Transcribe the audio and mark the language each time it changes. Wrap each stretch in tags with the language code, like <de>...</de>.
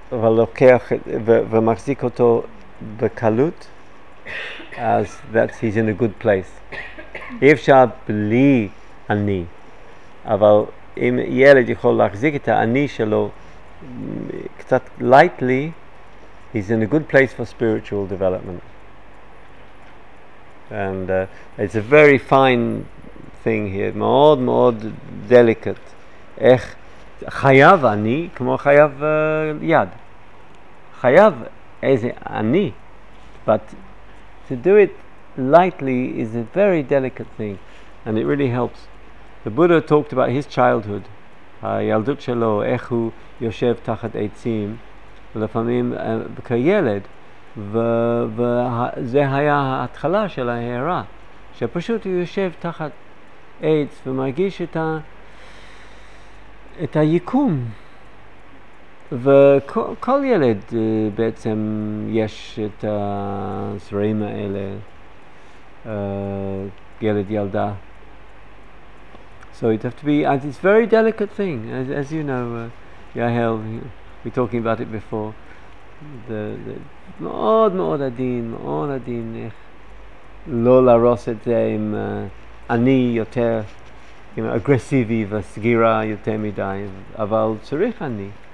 <he>ולוקח ומחזיק אותו בקלות, אז</he> <en>he's in a good place.</en> <he>אי אפשר בלי אני, אבל אם ילד יכול להחזיק את האני שלו קצת lightly,</he> <en>he's in a good place for spiritual development. And it's a very fine thing here,</en> <he>מאוד מאוד</he> <en>delicate.</en> <he>איך חייב אני כמו חייב יד, חייב איזה אני,</he> <en>but to do it lightly is a very delicate thing, and it really helps. The Buddha talked about his childhood,</en> <he>הילדות שלו, איך הוא יושב תחת עצים ולפעמים כילד, וזה היה ההתחלה של ההערה, שפשוט הוא יושב תחת עץ ומרגיש את את היקום. וכל ילד בעצם יש את הזרעים האלה, ילד ילדה.</he> <en>So it has to be, and it's a very delicate thing, as you know, Yahel, we're talking about it before.</en> <he>The מאוד מאוד עדין, מאוד עדין, איך לא לרוס את זה עם אני יותר,</he> <en>you know,</en> <he>אגרסיבי וסגירה יותר מדי, אבל צריך אני.</he>